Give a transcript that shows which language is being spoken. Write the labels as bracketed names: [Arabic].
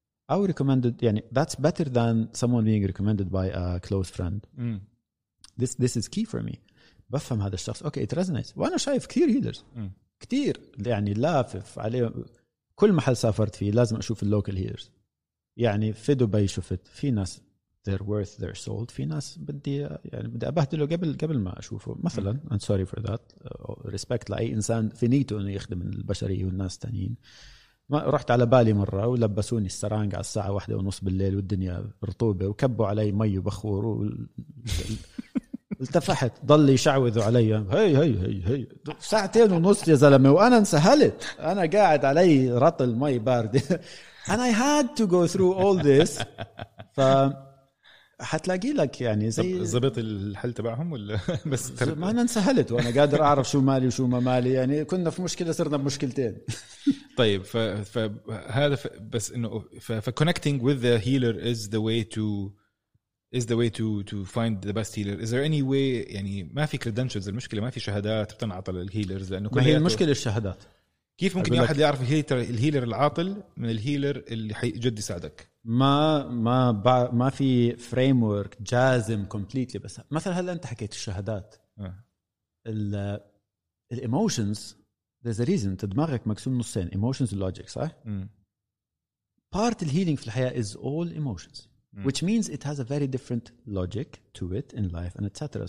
[English] أو recommended, يعني that's better than someone being recommended by a close friend. This is key for me. [Arabic] بفهم هذا الشخص, [English] okay it resonates. [Arabic] وأنا شايف كثير healers. كثير يعني لافف عليه كل محل سافرت فيه لازم أشوف اللوكال healers. يعني في دبي شفت في ناس [English] they're worth their salt, [Arabic] في ناس بدي يعني بدي أبهدله قبل ما أشوفه مثلا. [English] I'm sorry for that, respect [Arabic] لأي إنسان في نيته أنه يخدم البشرية والناس تانيين. ما رحت على بالي مرة ولبسوني السرانق على الساعة 1:30 بالليل والدنيا رطوبة وكبوا علي مي وبخور التفحت ضل يشعوذوا علي هاي هاي هاي هاي 2:30 يا زلمة وأنا انسهلت, أنا قاعد علي رطل مي بارد [English] and I had to go through all this. [Arabic] ف حتلاقي لك يعني زي ضبط الحل تبعهم ولا بس ما انا انسهلت وانا قادر اعرف شو مالي وشو ما مالي, يعني كنا في مشكله صرنا بمشكلتين. طيب فهذا بس انه [English] فكونكتينج with the healer is the way to is the way to find the best healer. Is there any way, [Arabic] يعني ما في credentials, المشكلة ما في شهادات بتنعطى للهيلرز, لأنه كل ما هي المشكلة الشهادات. كيف ممكن أحد يعرف الهيلر العاطل من الهيلر اللي جد يساعدك؟ ما في framework جازم completely. بس مثلا هلأ أنت حكيت الشهادات, الـ emotions, [English] there's a reason [Arabic] تدمغك مكسوم نصين, emotions and logic, صح؟ [English] Part of healing [Arabic] في الحياة [English] is all emotions, which means it has a very different logic to it in life and etc.